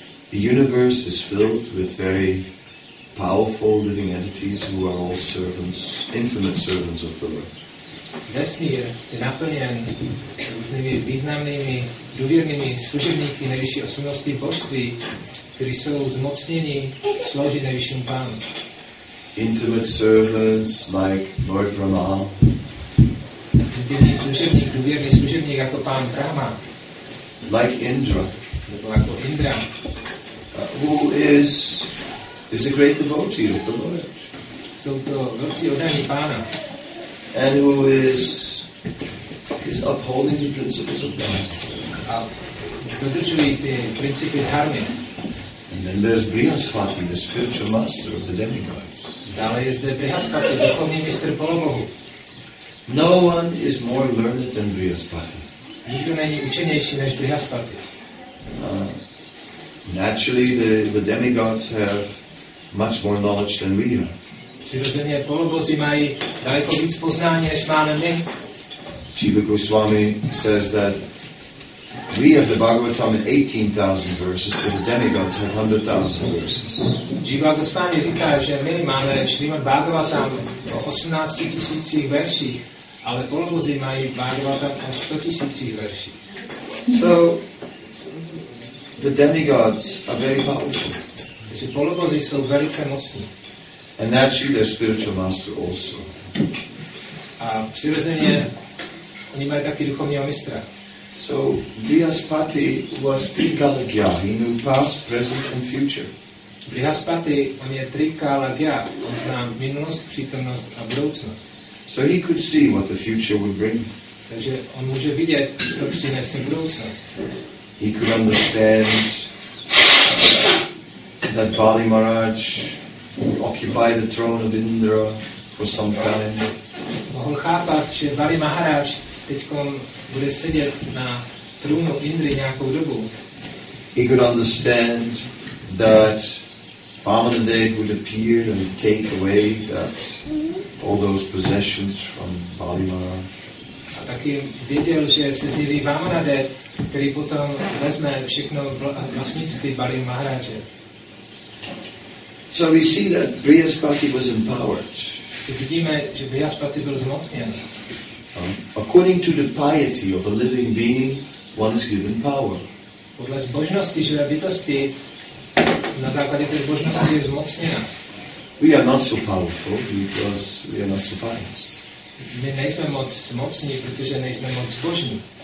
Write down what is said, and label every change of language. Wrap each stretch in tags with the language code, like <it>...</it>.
<en>The universe is filled with very powerful living entities who are all servants, intimate servants of the Lord.</en> <cs>Vesmír je naplněn různými významnými, důvěrnými služebníky nejvyšší osobnosti božství, kteří jsou zmocněni sloužit nejvyššímu pánu.</cs> <en>Intimate servants like Lord Brahma.</en> <cs>Intimní služebník, důvěrný služebník jako pán Brahma.</cs> <en>Like Indra.</en> <cs>Nebo jako Indra.</cs> <en>Who is a great devotee of the Lord.</en> <cs>Jsou to velcí oddaní pána.</cs> <en>And who is upholding the principles of God.</en> <cs>A dodržují ty principy dharmy.</cs> <en>And then there's Brihaspati, the spiritual master of the demigods.</en> <cs>Dále je zde Brihaspati, duchovní mistr polobohu.</cs> <en>No one is more learned than Brihaspati.</en> <cs>Nikdo není učenější než Brihaspati.</cs> <en>Naturally, the demigods have much more knowledge than we have.</en> <cs>Přirozeně polobozy mají daleko víc poznání, než máme my.</cs> <en>Jiva Goswami says that we have the Bhagavatam in 18,000 verses, but the demigods have 100,000 verses.</en> <cs>Jiva Goswami říká, že my máme Srimad Bhagavatam o 18,000 verších, ale polobozy mají Bhagavatam o 100,000 verších.</cs> <en>So the demigods are very powerful.</en> <cs>Že polobozy jsou velice mocní.</cs> <en>And naturally their spiritual master also.</en> <cs>A přirozeně oni mají taky duchovního mistra.</cs> <en>So Brihaspati was Trikalagya. He knew past, present and future.</en> <cs>Brihaspati, on je Trikalagya. On zná minulost, přítomnost a budoucnost.</cs> <en>So he could see what the future would bring.</en> <cs>Takže on může vidět, co přinese budoucnost.</cs> <en>He could understand that Bali Maharaj occupied the throne of Indra for some time.</en> <cs>Mohl chápat, že Bali Maharaj teďkom bude sedět na trůnu Indry nějakou dobu.</cs> <en>He could understand that Vamanadeva would appear and take away that all those possessions from Bali Maharaj.</en> <cs>A taky věděl, že se zjeví Vamanadev, který potom vezme všechno vlastnictví Bali Maharaje.</cs> <en>So we see that Brihaspati was empowered.</en> <cs>Vidíme, že Brihaspati byl zmocněn.</cs> <en>According to the piety of a living being, one is given power.</en> <cs>Podle zbožnosti živé bytosti, na základě té zbožnosti je zmocněna.</cs> <en>We are not so powerful because we are not so pious.</en> <cs>My nejsme moc mocní, protože nejsme moc zbožní.</cs>